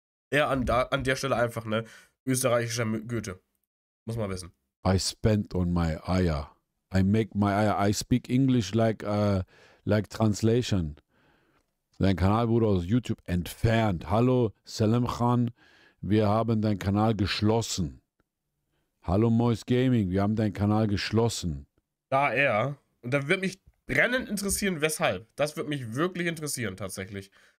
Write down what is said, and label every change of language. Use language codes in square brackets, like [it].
[de] Eher an der Stelle einfach eine österreichische Goethe. Muss man wissen. [en] I spend on my eier. I make my eier. I speak English like translation. [de] Dein Kanal wurde aus YouTube entfernt. Hallo, Salem Khan. Wir haben deinen Kanal geschlossen. Hallo Mois Gaming, wir haben deinen Kanal geschlossen. Da er. Und da wird mich brennend interessieren, weshalb. Das wird mich wirklich interessieren, tatsächlich.